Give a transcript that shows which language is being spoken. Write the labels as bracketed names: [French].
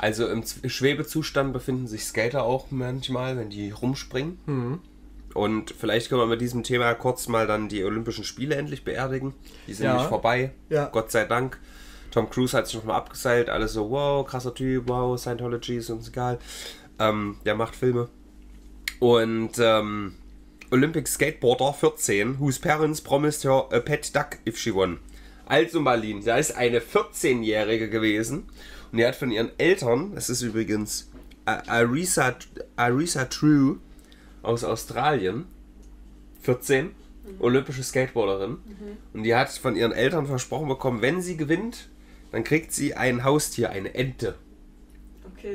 [German] Also im Schwebezustand befinden sich Skater auch manchmal, wenn die rumspringen. Mhm. Und vielleicht können wir mit diesem Thema kurz mal dann die Olympischen Spiele endlich beerdigen. Die sind nämlich vorbei, ja. Gott sei Dank. Tom Cruise hat sich nochmal abgeseilt. Alle so, wow, krasser Typ, wow, Scientology, ist uns egal. Der macht Filme. [English] Und Olympic Skateboarder 14, whose parents promised her a pet duck if she won. [German] Also Marlene, da ist eine 14-Jährige gewesen und die hat von ihren Eltern, das ist übrigens Arisa True aus Australien, 14, olympische Skateboarderin, und die hat von ihren Eltern versprochen bekommen, wenn sie gewinnt, dann kriegt sie ein Haustier, eine Ente. Okay.